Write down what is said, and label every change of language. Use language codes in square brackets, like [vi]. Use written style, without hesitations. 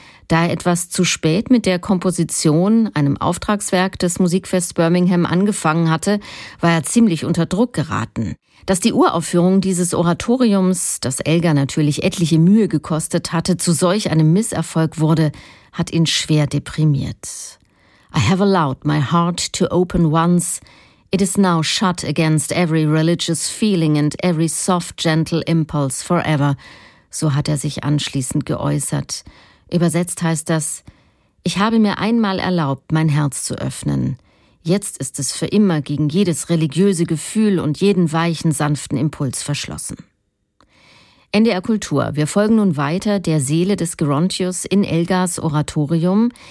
[de] Da er etwas zu spät mit der Komposition, einem Auftragswerk des Musikfests Birmingham, angefangen hatte, war er ziemlich unter Druck geraten. Dass die Uraufführung dieses Oratoriums, das Elgar natürlich etliche Mühe gekostet hatte, zu solch einem Misserfolg wurde, hat ihn schwer deprimiert. [en] I have allowed my heart to open once. It is now shut against every religious feeling and every soft, gentle impulse forever. [de] So hat er sich anschließend geäußert. Übersetzt heißt das, ich habe mir einmal erlaubt, mein Herz zu öffnen. Jetzt ist es für immer gegen jedes religiöse Gefühl und jeden weichen, sanften Impuls verschlossen. NDR Kultur, wir folgen nun weiter der Seele des Gerontius in Elgars Oratorium.